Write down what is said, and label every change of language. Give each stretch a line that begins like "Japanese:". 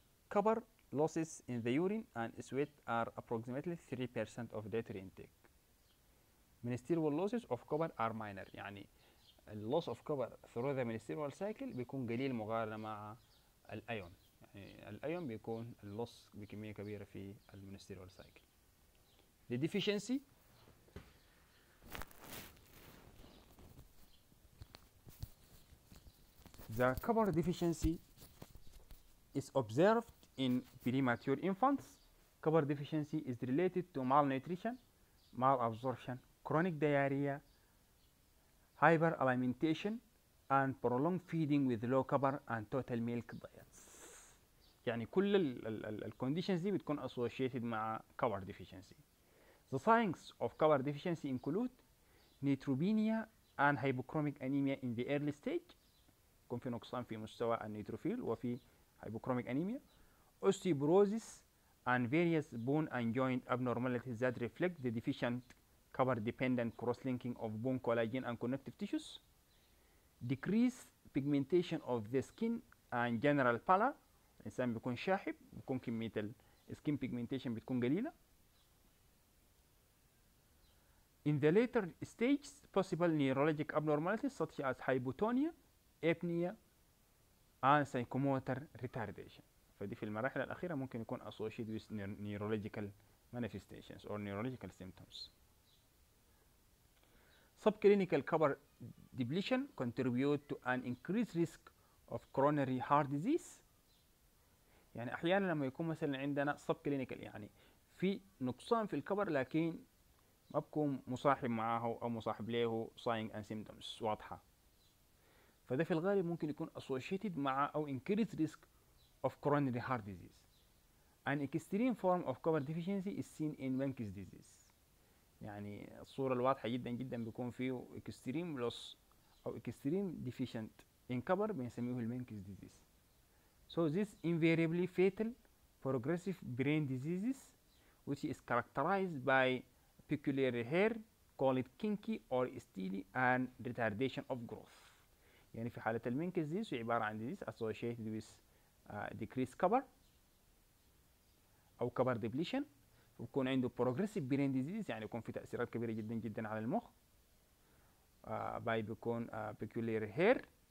English: كبر losses in the urine and sweat are approximately 3% of dietary intake. Ministerial losses of copper are minor. يعني loss of copper through the ministerial cycle
Arabic: بيكون قليل مقارنة مع الأيون. يعني الأيون بيكون loss بكمية كبيرة في الministerial cycle.
English: The deficiency the copper deficiency is observed in premature infants. Copper deficiency is related to malnutrition, malabsorption, chronic diarrhea, hyperalimentation, and prolonged feeding with low copper and total milk diets.
Arabic: يعني كل ال
English: conditions
Arabic: دي بتكون associated مع copper deficiency.
English: The signs of copper deficiency include neutropenia and hypochromic anemia in the early stage.
Arabic: يكون في نقصان في مستوى النيتروفيل وفي hypochromic anemia.
English: Osteoporosis and various bone and joint abnormalities that reflect the deficient copper-dependent cross-linking of bone collagen and connective tissues. Decreased pigmentation of the skin and general pallor.
Arabic: الإنسان بيكون شاحب, بيكون كمية skin pigmentation بتكون قليلة.
English: In the later stages, possible neurologic abnormalities such as hypotonia, apnea, and psychomotor retardation.
Arabic: فدي في المراحل الأخيرة ممكن يكون
English: associated with neurological manifestations or neurological symptoms. Subclinical copper depletion contribute to an increased risk of coronary heart disease.
Arabic: يعني أحيانا لما يكون مثلا عندنا subclinical يعني في نقصان في الكبر لكن ما بكون مصاحب معه أو مصاحب له
English: signs and symptoms
Arabic: واضحة, فده في الغالب ممكن يكون associated مع أو
English: increased risk of coronary heart disease. An extreme form of copper deficiency is seen in Menkes disease.
Arabic: يعني الصورة الواضحة جدا جدا بيكون فيه
English: extreme loss
Arabic: أو
English: extreme deficient in copper
Arabic: بنسميه Menkes disease.
English: So this invariably fatal progressive brain diseases which is characterized by peculiar hair call it kinky or steely and retardation of growth.
Arabic: يعني في حالة Menkes disease عبارة عن
English: disease associated with decreased copper
Arabic: أو
English: copper depletion,
Arabic: ويكون عنده
English: progressive brain disease
Arabic: يعني يكون في تأثيرات كبيرة جدا جدا على المخ, باي بيكون
English: peculiar hair